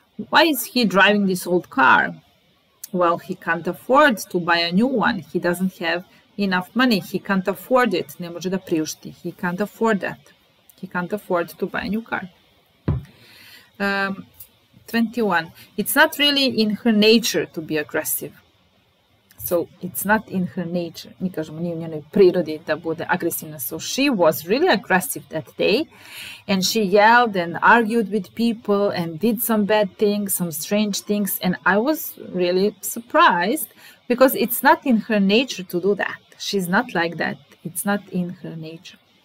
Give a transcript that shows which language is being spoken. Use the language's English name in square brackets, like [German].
[English] Why is he driving this old car? Well, he can't afford to buy a new one. He doesn't have enough money. He can't afford it. [Serbian] Ne može da priušti. [English] He can't afford that. He can't afford to buy a new car. 21. It's not really in her nature to be aggressive. So it's not in her nature. [Serbian] Mi kažemo nije u njenoj prirodi da bude agresivna. [English] So she was really aggressive that day. And she yelled and argued with people and did some bad things, some strange things. And I was really surprised because it's not in her nature to do that. She's not like that. It's not in her nature.